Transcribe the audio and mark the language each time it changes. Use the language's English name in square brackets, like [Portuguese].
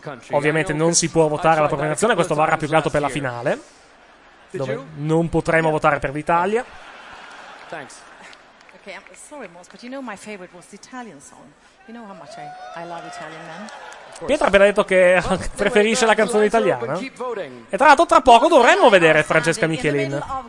[Italian] Ovviamente non si può votare alla propria nazione, questo varrà più che altro per la finale, dove non potremo votare per l'Italia. [English] Ok, sorry Moss, but you know my favorite was the Italian song. You know how much I love Italian men. [Italian] Pietro ha appena detto che preferisce la canzone italiana. E tra l'altro tra poco dovremmo vedere Francesca Michelin.